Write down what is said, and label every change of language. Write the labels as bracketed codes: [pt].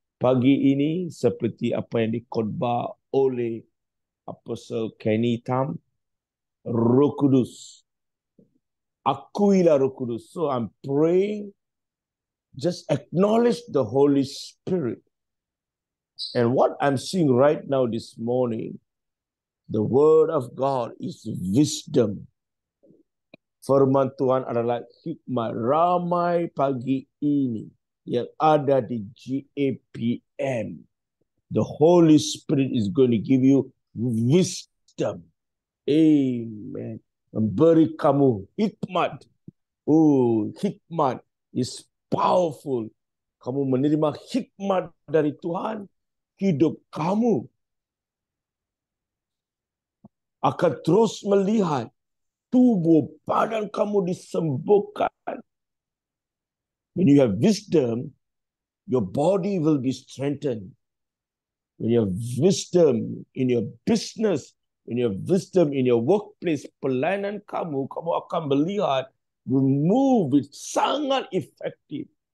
[ms] Pagi ini seperti apa yang dikhotbah oleh Apostle Kenny Tam, Roh Kudus. Akuilah Roh Kudus. [en] So I'm praying, just acknowledge the Holy Spirit. And what I'm seeing right now this morning, the word of God is wisdom. [ms] Firman Tuhan adalah hikmah. Ramai pagi ini yang ada di GAPM, [en] the Holy Spirit is going to give you wisdom. [ms] Amen. Memberi kamu hikmat. [en] Oh, hikmat is powerful. [ms] Kamu menerima hikmat dari Tuhan, hidup kamu akan terus melihat tubuh badan kamu disembuhkan. [en] When you have wisdom, your body will be strengthened. When you have wisdom in your business, when you have wisdom in your workplace, [ms] pelayanan kamu, kamu akan melihat [en] will move with [ms] sangat [en] effective.